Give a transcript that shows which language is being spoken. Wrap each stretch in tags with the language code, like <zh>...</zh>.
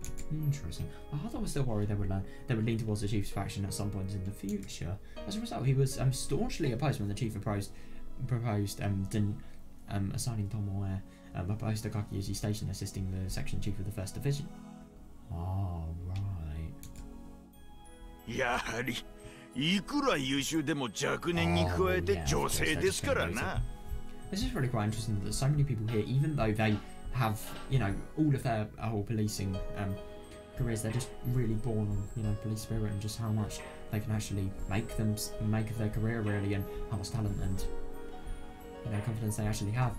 <en>Interesting. I thought I was still worried they would lean towards the Chief's faction at some point in the future. As a result, he was staunchly opposed when the Chief proposed assigning Tomoe a post at Kakiyuji Station, assisting the Section Chief of the 1st Division. Oh, right.</en> <ja>やはりいくら優秀でも若年に加えて女性ですからな。</ja> <en>This is really quite interesting that so many people here, even though they have, you know, all of their whole policing careers, they're just really born on, you know, police spirit and just how much they can actually make of their career really, and how much talent and, you know, confidence they actually have.</en>